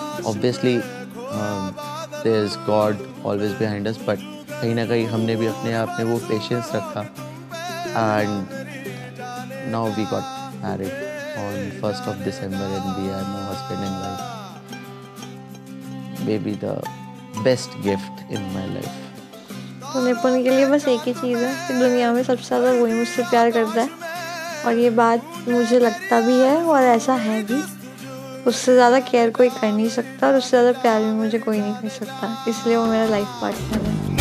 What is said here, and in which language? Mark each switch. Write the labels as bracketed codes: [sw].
[en] obviously there is God always behind us, but [hi] कहीं ना कहीं हमने भी अपने आप में वो पेशेंस रखा [en] And now we got married on 1st of December and we are now husband and wife. Maybe the best gift in my life. [hi] तो निपुण के लिए बस एक ही चीज़ है कि दुनिया में सबसे ज़्यादा वही मुझसे प्यार करता है, और ये बात मुझे लगता भी है और ऐसा है भी। उससे ज़्यादा केयर कोई कर नहीं सकता और उससे ज़्यादा प्यार भी मुझे कोई नहीं कर सकता, इसलिए वो मेरा लाइफ पार्टनर है।